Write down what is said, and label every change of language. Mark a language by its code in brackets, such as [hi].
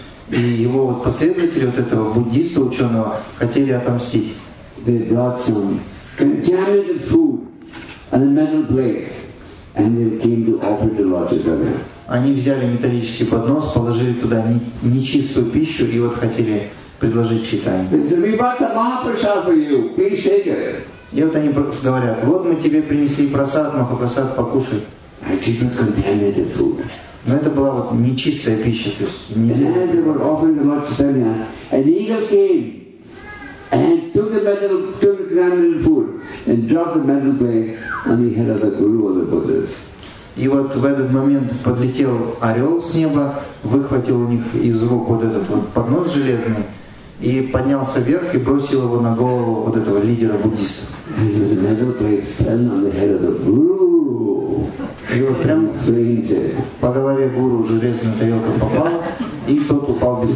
[ru] И его последователи, вот этого буддийского ученого, хотели отомстить. [en] Contaminated food and a metal plate, and they came to offer to Lord Chaitanya. [ru] Они взяли металлический поднос, положили туда нечистую пищу и вот хотели предложить Чайтанье. [en] They said, "We brought the Mahaprasad for you. Please take it." [ru] И вот они говорят, вот мы тебе принесли просад, Махапрасад, покушай. [en] It was contaminated food. [ru] Но это была вот нечистая пища. [en] And as they were offering to Lord Chaitanya, an eagle came. And took the metal, took the contaminated food, and dropped the metal plate [ru] они говорят, это Гуру, это Буддист. И вот в этот момент подлетел орел с неба, выхватил у них из рук вот этот вот поднос железный и поднялся вверх и бросил его на голову вот этого лидера буддистов. И вот прям по голове гуру железная тарелка попала, и тот упал без